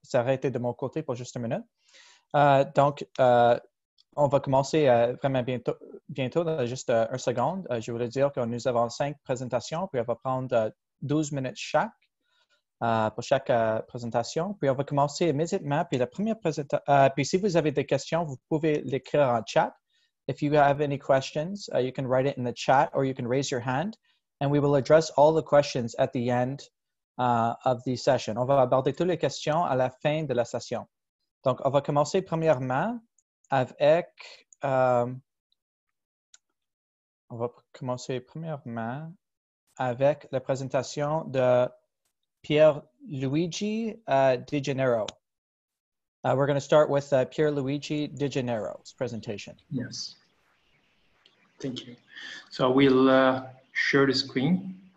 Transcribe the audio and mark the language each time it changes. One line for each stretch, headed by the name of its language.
French: Ça a arrêté de mon côté pour juste une minute. Donc, on va commencer vraiment bientôt, dans juste une seconde. Je voudrais dire que nous avons cinq présentations, puis on va prendre 12 minutes chaque pour chaque présentation. Puis on va commencer immédiatement. Puis la première présentation... puis si vous avez des questions, vous pouvez l'écrire en chat.
English: If you have any questions, you can write it in the chat or you can raise your hand. And we will address all the questions at the end of the session.
French: On va aborder toutes les questions à la fin de la session. Donc, on va commencer premièrement avec... on va commencer premièrement avec la présentation de Pierluigi Digennaro.
English: We're going to start with Pierluigi Digennaro's presentation. Yes. Thank you. So we'll share the screen.